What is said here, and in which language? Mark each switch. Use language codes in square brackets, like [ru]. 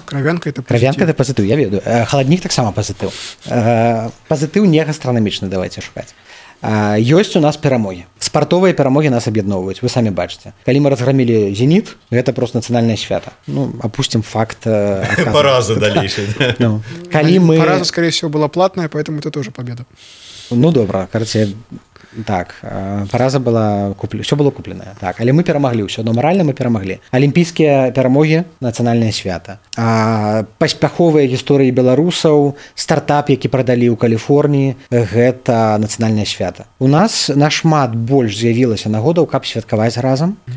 [be] Кравянка это пазітыў. Кравянка это пазітыў, я ведаю. Халаднік таксама пазітыў. Пазітыў не гастранамічны, давайце шукаць. Ёсць у нас перамогі. Спартовыя перамогі нас аб'ядноўваюць, вы самі бачыце. Калі мы разграмілі «Зеніт», гэта просто нацыянальнае свята. [ru] Ну, апустим факт. [be] Параза далейшы. Ну, калі мы... [ru] Параза, скорее всего, была платная, поэтому это тоже победа. [be] Ну, добра, карце... Так, параза была куплена, ўсё было купленае. Так, але мы перамаглі, ўсё адно маральна мы перамаглі. Алімпійскія перамогі, нацыянальнае свята. Паспяховыя гісторыі беларусаў, стартап, які прадалі ў Каліфорніі, гэта нацыянальнае свята. У нас нашмат больш з'явілася нагодаў, каб святкаваць разам.